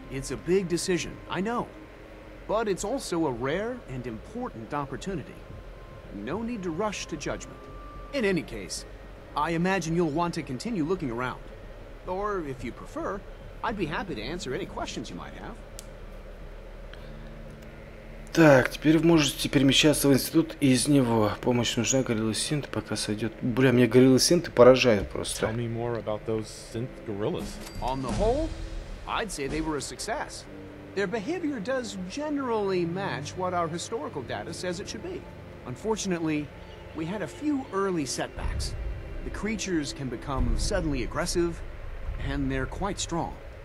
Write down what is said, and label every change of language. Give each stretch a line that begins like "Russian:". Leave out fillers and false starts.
English: It's a big decision, I know, but it's also a rare and important opportunity. No need to rush to judgment. In any case, I imagine you'll want to continue looking around. Or, if you prefer, I'd be happy to answer any questions you might have.
Russian: Так, теперь вы можете перемещаться в институт и из него. Помощь нужна, гориллы синты, пока сойдет. Бля, мне гориллы синты поражают просто.
English: Tell me more about those synth gorillas. On the whole, I'd say they were a success. Their behavior does generally match what our historical data says it should be. Unfortunately, We had a few early setbacks. The creatures can become suddenly aggressive, and they're quite strong.